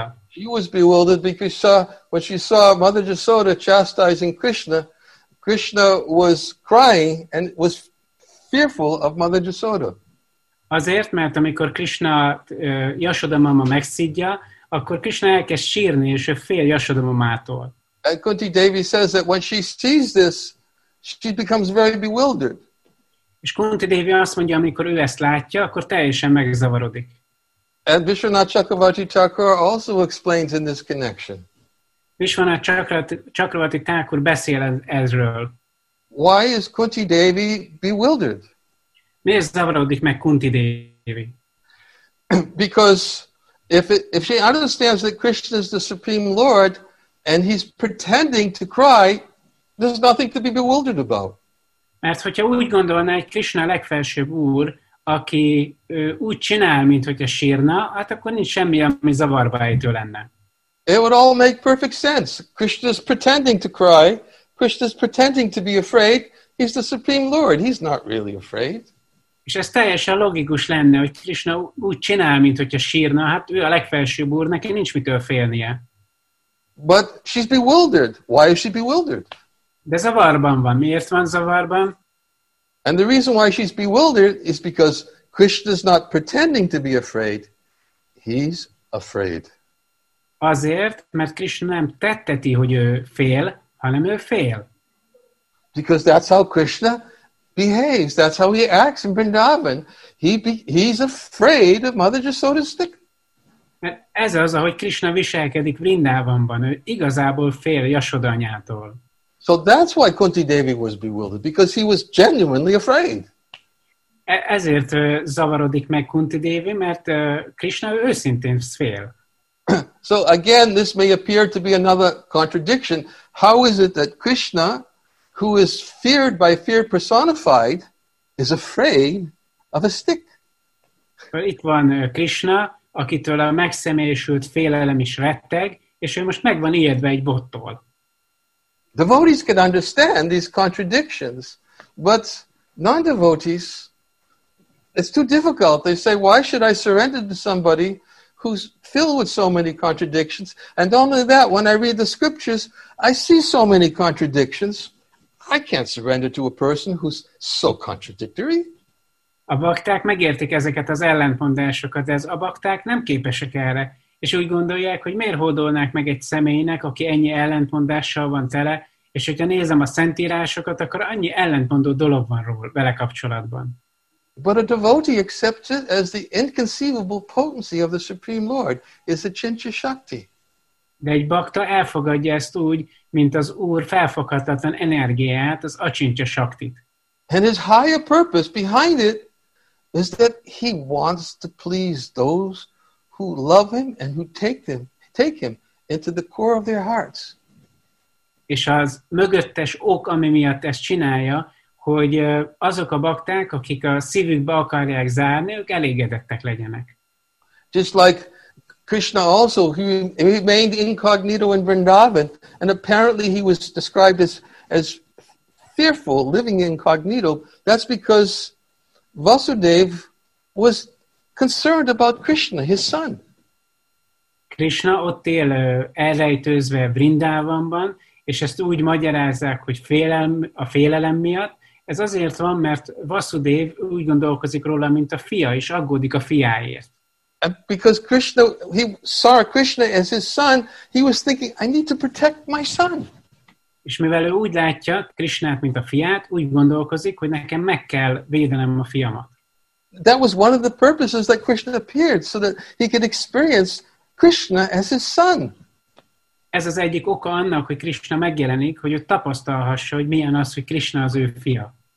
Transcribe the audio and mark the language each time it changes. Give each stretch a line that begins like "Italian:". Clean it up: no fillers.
English: She was bewildered because when she saw Mother Jasoda chastising Krishna, Krishna was crying and was fearful of Mother Jasoda.
Hungarian: Azért, mert amikor Krishna Yashoda mama megszidja, akkor Krishna elkezd sírni, és ő fél Yashoda mamától.
English: And Kunti Devi says that when she sees this, she becomes very bewildered.
Hungarian: És Kunti Devi azt mondja, amikor ő ezt látja, akkor teljesen megzavarodik.
English: And Vishwanath Chakravarti Thakur also explains in this connection.
Hungarian: Vishwanath Chakravarti Thakur beszél ezről.
English: Why is Kunti Devi bewildered?
Hungarian: Miért zavarodik meg Kunti Devi?
English: Because if she understands that Krishna is the Supreme Lord and he's pretending to cry, there's nothing to be bewildered about.
Hungarian: Mert hogyha úgy gondolná, hogy Krishna a legfelsőbb úr, aki úgy csinál, mint hogyha sírna, hát akkor nincs semmi, ami zavarba ejtő lenne.
English: It would all make perfect sense. Krishna's pretending to cry. Krishna's pretending to be afraid. He's the Supreme Lord. He's not really afraid.
Hungarian: És ez teljesen logikus lenne, hogy Krishna úgy csinál, mint hogyha sírna. Hát ő a legfelsőbb úr, neki nincs mitől félnie.
English: But she's bewildered. Why is she bewildered?
Hungarian: De zavarban van. Miért van zavarban?
English: And the reason why she's bewildered is because Krishna's not pretending to be afraid. He's afraid.
Hungarian: Azért, mert Krishna nem tetteti, hogy ő fél, hanem ő fél.
English: Because that's how Krishna behaves. That's how he acts in Vrindavan. He's afraid of Mother Jasoda's stick.
Hungarian: Mert ez az, ahogy Krishna viselkedik Vrindavanban. Ő igazából fél Yashoda anyától.
English: So that's why Kunti Devi was bewildered, because he was genuinely afraid.
Hungarian: Ezért zavarodik meg Kunti Devi, mert Krishna őszintén fél.
English: So again, this may appear to be another contradiction. How is it that Krishna, who is feared by fear personified, is afraid of a stick?
Hungarian: Itt van Krishna, akitől a megszemélyesült félelem is retteg, és ő most meg van ijedve egy bottól.
English: Devotees can understand these contradictions, but non-devotees, it's too difficult. They say, why should I surrender to somebody who's filled with so many contradictions? And only that, when I read the scriptures, I see so many contradictions. I can't surrender to a person who's so contradictory.
Hungarian: A bakták megértik ezeket az ellentmondásokat, de ez a bakták nem képesek erre. És úgy gondolják, hogy miért hódolnák meg egy személynek, aki ennyi ellentmondással van tele, és hogyha nézem a szentírásokat, akkor annyi ellentmondó dolog van róla vele kapcsolatban.
English: But a devotee accepts it as the inconceivable potency of the Supreme Lord is a chincha shakti.
Hungarian: De egy bakta elfogadja ezt úgy, mint az Úr felfoghatatlan energiáját, az acsincsa saktit.
English: And his higher purpose behind it is that he wants to please those who love him and who take him into the core of their hearts.
Hungarian: És az mögöttes ok, ami miatt ezt csinálja, hogy azok a bakták, akik a szívükbe akarják zárni, ők elégedettek legyenek.
English: Just like Krishna also, he remained incognito in Vrindavan, and apparently he was described as fearful, living incognito. That's because Vasudev was concerned about Krishna, his son.
Hungarian: Krishna ott él elrejtőzve Vrindavanban, és ezt úgy magyarázzák, hogy a félelem miatt. Ez azért van, mert Vasudev úgy gondolkozik róla, mint a fia, és aggódik a fiáért.
English: And because Krishna, he saw Krishna as his son, he was thinking, I need to protect my son.
Hungarian: És mivel ő úgy látja Krishnát, mint a fiát, úgy gondolkozik, hogy nekem meg kell védenem a fiamat.
English: That was one of the purposes that Krishna appeared, so that he could experience Krishna as his son.
Hungarian: Ez az egyik oka annak, hogy Krishna megjelenik, hogy ő tapasztalhassa, hogy milyen az, hogy Krishna az ő fia.